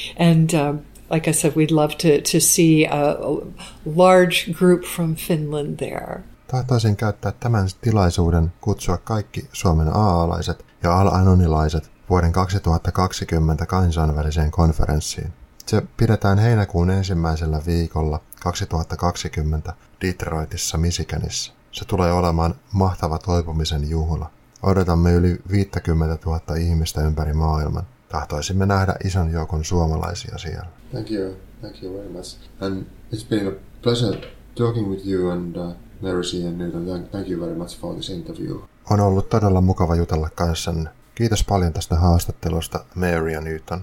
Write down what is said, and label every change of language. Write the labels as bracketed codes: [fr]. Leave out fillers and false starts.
[en] And like I said, we'd love to see a large group from Finland there. [fi] Tahtoisin käyttää tämän tilaisuuden kutsua kaikki Suomen AA-laiset ja al-anonilaiset vuoden 2020 kansainväliseen konferenssiin. Se pidetään heinäkuun ensimmäisellä viikolla 2020 Detroitissa, Michiganissa. Se tulee olemaan mahtava toipumisen juhla. Odotamme yli 50 000 ihmistä ympäri maailman. Tahtoisimme nähdä ison joukon suomalaisia siellä. [en] Thank you very much. And it's been a pleasure talking with you and Mercy and Newton. Thank you very much for this interview. [fi] On ollut todella mukava jutella kanssanne. Kiitos paljon tästä haastattelusta, Mary ja Newton.